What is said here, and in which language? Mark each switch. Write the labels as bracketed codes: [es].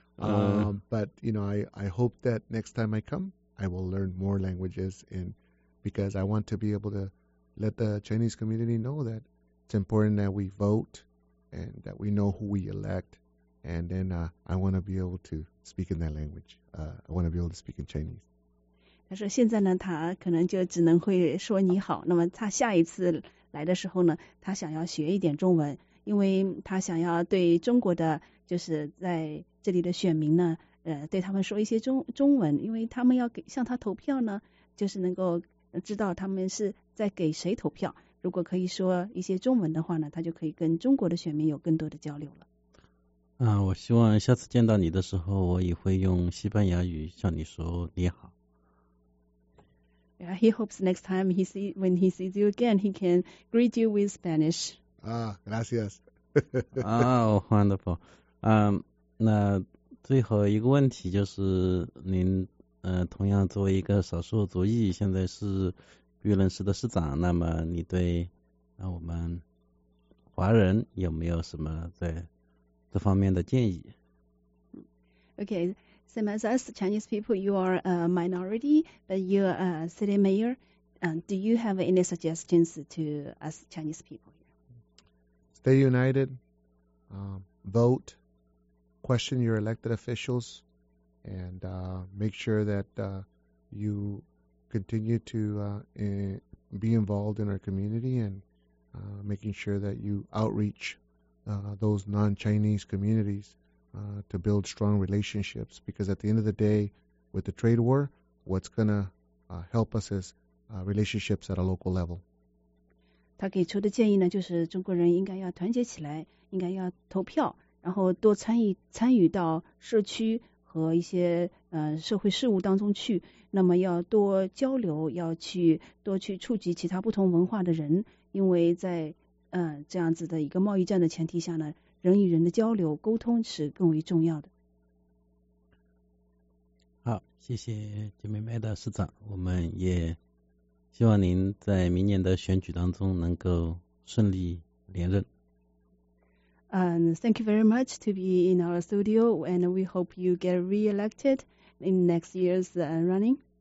[en] But, you know, I hope that next time I come, I will learn more languages, and because I want to be able to let the Chinese community know that it's important that we vote and that we know who we elect. And then I want to be able to speak in that language. I want to be able to speak in Chinese. [zh] 他说现在呢，他可能就只能会说你好。那么他下一次来的时候呢，他想要学一点中文，因为他想要对中国的就是在这里的选民呢对他们说一些中文，因为他们要给向他投票呢，就是能够知道他们是在给谁投票。如果可以说一些中文的话呢，他就可以跟中国的选民有更多的交流了。我希望下次见到你的时候，我也会用西班牙语向你说你好。 [en] Yeah, he hopes next time when he sees you again, he can greet you with Spanish. [es] Gracias. [en] Oh, wonderful. [zh] 那最后一个问题就是您同样作为一个少数族裔，现在是玉林市的市长，那么你对我们华人有没有什么在这方面的建议？ [en] Okay, same as us Chinese people, you are a minority, but you're a city mayor. Do you have any suggestions to us Chinese people? Stay united, vote, question your elected officials, and make sure that you continue to be involved in our community and making sure that you outreach those non-Chinese communities to build strong relationships. Because at the end of the day, with the trade war, what's going to help us is relationships at a local level. [zh] 他给出的建议呢，就是中国人应该要团结起来，应该要投票，然后多参与到社区和一些社会事务当中去，那么要多交流，要去多去触及其他不同文化的人，因为在这样子的一个贸易战的前提下呢，人与人的交流沟通是更为重要的。好，谢谢金美麦的市长，我们也希望您在明年的选举当中能够顺利连任。 [en] Thank you very much to be in our studio, and we hope you get re-elected in next year's running.